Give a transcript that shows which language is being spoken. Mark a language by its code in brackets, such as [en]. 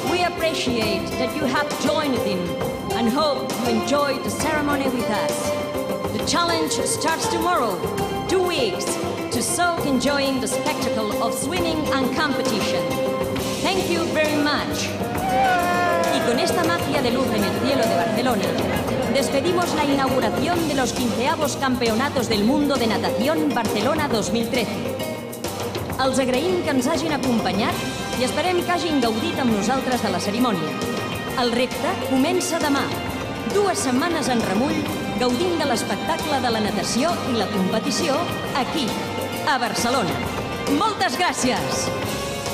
[en] We appreciate that you have joined in and hope you enjoyed the ceremony with us. The challenge starts tomorrow, 2 weeks, to soak enjoying the spectacle of swimming and competition. Thank you very much. [es] Y con esta magia de luz en el cielo de Barcelona, despedimos la inauguración de los 15avos Campeonatos del Mundo de Natación Barcelona 2013. [ca] Els agraïm que ens hagin acompanyat i esperem que hagin gaudit amb nosaltres de la cerimònia. El repte comença demà, 2 setmanes en remull, gaudint de l'espectacle de la natació i la competició aquí, a Barcelona. Moltes gràcies!